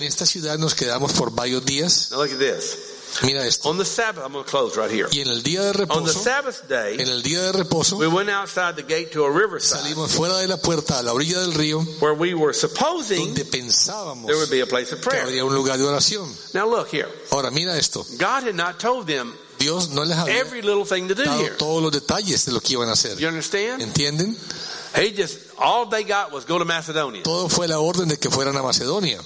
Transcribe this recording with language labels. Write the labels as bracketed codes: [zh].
[es] En esta ciudad nos quedamos por varios días. [en] Now look at this. [es] Mira esto. [en] On the Sabbath, I'm going to close right here. [es] Y en el día de reposo, [en] on the Sabbath day, [es] en el día de reposo, [en] we went outside the gate to a riverside. [es] Salimos fuera de la puerta a la orilla del río, [en] where we were supposing [es] donde pensábamos [en] there would be a place of prayer. [es] Que habría un lugar de oración. [en] Now look here. [es] Ahora mira esto. [en] God had not told them [es] Dios no les había [en] every little thing to do [es] dado [en] here. [es] Todos los detalles de lo que iban a hacer. [en] You understand? [es] ¿Entienden? [en] He just all they got was go to Macedonia. [es] Todo fue la orden de que fueran a Macedonia.